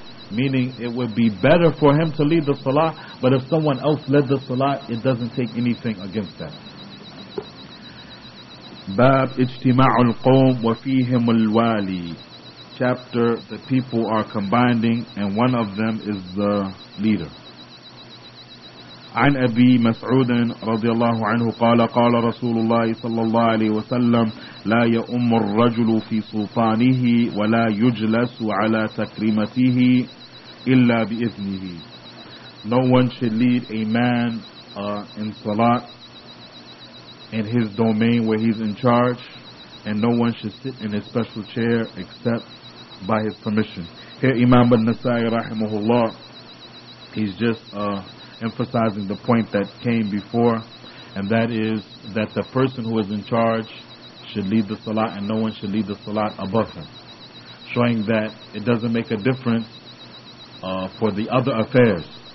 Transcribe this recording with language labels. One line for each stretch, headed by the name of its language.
English: Meaning, it would be better for him to lead the salah, but if someone else led the salah, it doesn't take anything against that.
Arabic: Bab ijtima'ul qawm wa fihim al-wali.
English: Chapter, the people are combining and one of them is the leader.
Arabic: عن أبي مسعود رضي الله عنه قال قال رسول الله صلى الله عليه وسلم لا يؤم الرجل في سلطانه ولا يجلس على تكريمته إلا بإذنه.
English: No one should lead a man in salah in his domain where he's in charge, and no one should sit in his special chair except by his permission. Here Imam al-Nasa'i rahimahullah, he's just emphasizing the point that came before, and that is that the person who is in charge should lead the salah, and no one should lead the salah above him, showing that it doesn't make a difference for the other affairs.